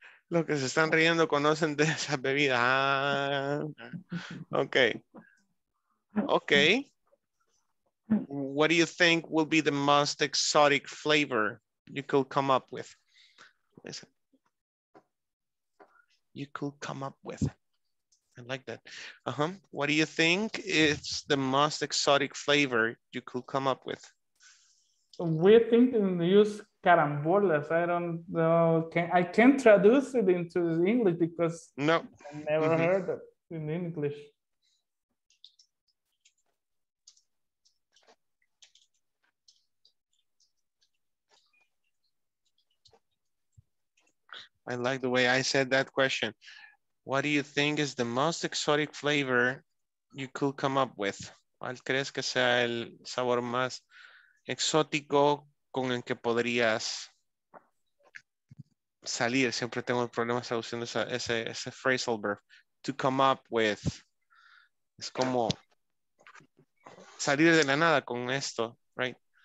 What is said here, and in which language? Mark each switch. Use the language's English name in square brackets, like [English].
[Spanish] Lo que se están riendo conocen de esa bebida. [English] Okay. Okay. What do you think will be the most exotic flavor you could come up with? Listen. You could come up with. I like that. Uh-huh. What do you think is the most exotic flavor you could come up with? We're thinking to use carambolas. I don't know. I can't traduce it into English because no. I never mm-hmm. heard it in English. I like the way I said that question. What do you think is the most exotic flavor you could come up with? [Spanish] ¿Cuál crees que sea el sabor más exótico con el que podrías salir? Siempre tengo problemas usando ese phrasal verb. [English] To come up with. [Spanish] Es como salir de la nada con esto, right?